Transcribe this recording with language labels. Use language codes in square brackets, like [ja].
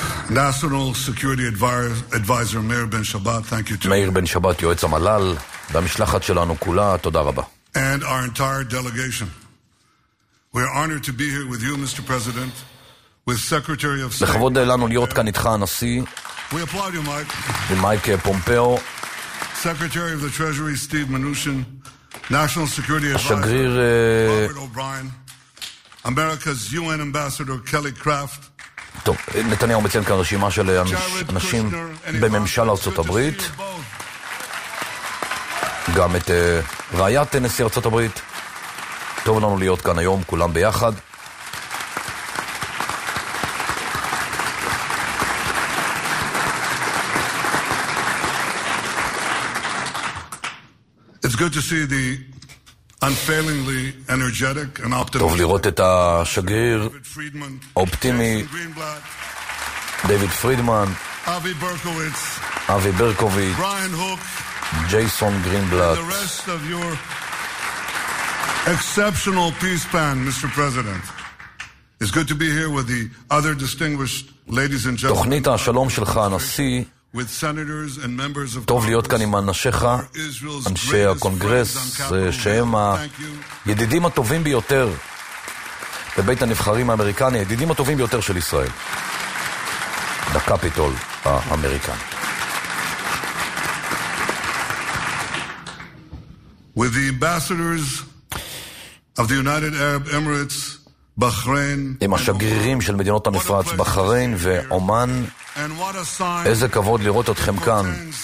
[en] National Security Advisor Meir Ben Shabbat, thank you to [he] Meir Ben Shabbat, יועץ המלל, והמשלחת שלנו כולה, תודה רבה. [en] And our entire delegation. We are honored to be here with you, Mr. President, with Secretary of State. [he] לכבוד לנו להיות כאן איתך, הנשיא. [en] We applaud you, Mike. [he] ומייק פומפאו. [en] Secretary of the Treasury, Steve Mnuchin. National Security Advisor, [he] השגריר, [en] Robert O'Brien. America's UN Ambassador, Kelly Craft. [he] טוב, נתניהו מציין כאן רשימה של אנשים בממשל ארצות הברית, גם את רעיית נשיא ארצות הברית. טוב לנו להיות כאן היום כולם ביחד. [en] It's good to see the unfailingly energetic and optimistic. [he] טוב לראות את השגריר אופטימי דייוויד פרידמן, אבי ברקוביץ, אבי ברקוביץ, בריאן הוק, ג'ייסון גרינבלט, [en] the rest of your exceptional peace plan, Mr. President. It's good to be here with the other distinguished ladies and gentlemen. [he] תוכנית השלום שלך הנשיא, [en] with senators and members of [he] טוב להיות כאן עם אנשיך, אנשי הקונגרס, שהם הידידים הטובים ביותר בבית הנבחרים האמריקני, הידידים הטובים ביותר של ישראל, בקפיטול האמריקני. [en] with the ambassadors of the United Arab Emirates, Bahrain. [he] עם השגרירים של מדינות המפרץ, בחריין ואומן. איזה כבוד לראות אתכם כאן.